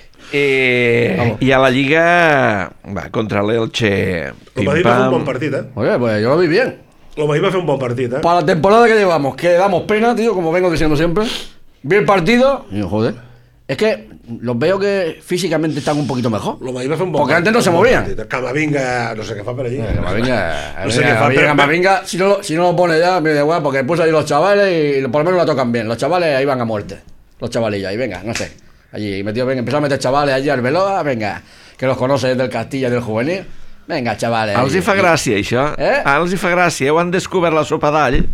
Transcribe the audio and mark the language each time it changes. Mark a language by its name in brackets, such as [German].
[Catalan] I a la Lliga va contra l'Elche. El Madrid va fer un bon partit, eh? [Spanish] Oye, pues yo lo vi bien. [Catalan] El Madrid va fer un bon partit, eh? [Spanish] Para la temporada que llevamos, que damos pena, tío, como vengo diciendo siempre. Vi el partido y joder, es que los veo que físicamente están un poquito mejor. [Catalan] El Madrid va fer un bon [Spanish] porque [Catalan] partit, [Spanish] antes no se movían. [Catalan] Camavinga, no sé qué fa per allí. [Spanish] Camavinga, si no lo pone ya, me da igual, porque después ahí los chavales y por lo menos la tocan bien. Los chavales ahí van a muerte. Los chavalillos ahí, venga, no sé. Allí metió, venga, empezó a meter chavales allí al Veloa, venga, que los conoce del Castilla del Juvenil. Venga, chavales. [Catalan] Els hi fa gràcia, això. Eh? Els hi fa gràcia, ho han descobert la sopa d'all.